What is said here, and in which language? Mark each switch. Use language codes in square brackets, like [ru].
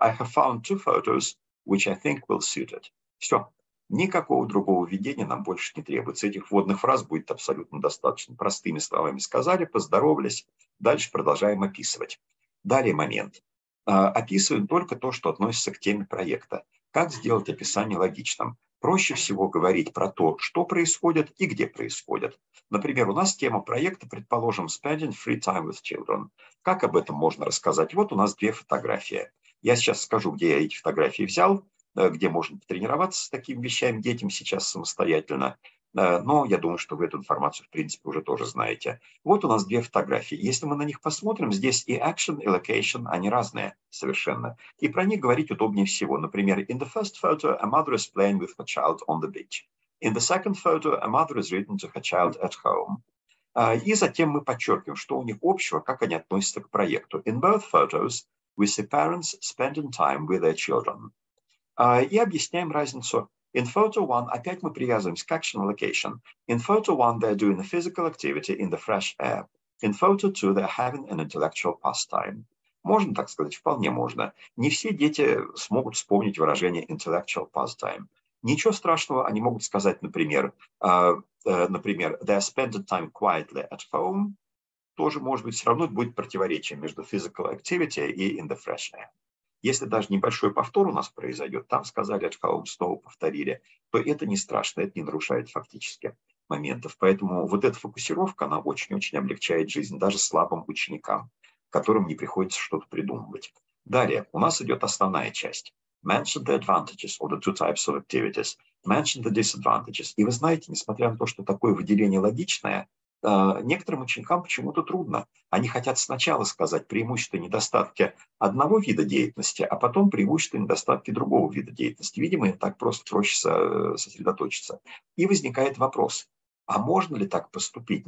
[en] «I have found two photos, which I think will suit it». [ru] Все. Никакого другого введения нам больше не требуется. Этих вводных фраз будет абсолютно достаточно. Простыми словами сказали, поздоровались. Дальше продолжаем описывать. Далее момент. Описываем только то, что относится к теме проекта. Как сделать описание логичным? Проще всего говорить про то, что происходит и где происходит. Например, у нас тема проекта, предположим, [en] «Spending free time with children». [ru] Как об этом можно рассказать? Вот у нас две фотографии. Я сейчас скажу, где я эти фотографии взял, где можно потренироваться с такими вещами детям сейчас самостоятельно. Но я думаю, что вы эту информацию, в принципе, уже тоже знаете. Вот у нас две фотографии. Если мы на них посмотрим, здесь и action, и location, они разные совершенно. И про них говорить удобнее всего. Например, [en] in the first photo, a mother is playing with her child on the beach. In the second photo, a mother is reading to her child at home. [ru] И затем мы подчеркиваем, что у них общего, как они относятся к проекту. [en] In both photos, we see parents spending time with their children. [ru] И объясняем разницу. [en] In photo one, [ru] опять мы привязываемся к action location. [en] In photo one, they're doing a physical activity in the fresh air. In photo two, they're having an intellectual pastime. [ru] Можно так сказать, вполне можно. Не все дети смогут вспомнить выражение [en] intellectual pastime. [ru] Ничего страшного, они могут сказать, например, например, [en] they're spending time quietly at home. [ru] Тоже, может быть, все равно будет противоречие между [en] physical activity [ru] и [en] in the fresh air. [ru] Если даже небольшой повтор у нас произойдет, там сказали, от кого снова повторили, то это не страшно, это не нарушает фактически моментов. Поэтому вот эта фокусировка, она очень-очень облегчает жизнь даже слабым ученикам, которым не приходится что-то придумывать. Далее, у нас идет основная часть. [en] Mention the advantages of the two types of activities. Mention the disadvantages. [ru] И вы знаете, несмотря на то, что такое выделение логичное, некоторым ученикам почему-то трудно. Они хотят сначала сказать преимущества и недостатки одного вида деятельности, а потом преимущества и недостатки другого вида деятельности. Видимо, им так просто проще сосредоточиться. И возникает вопрос, а можно ли так поступить?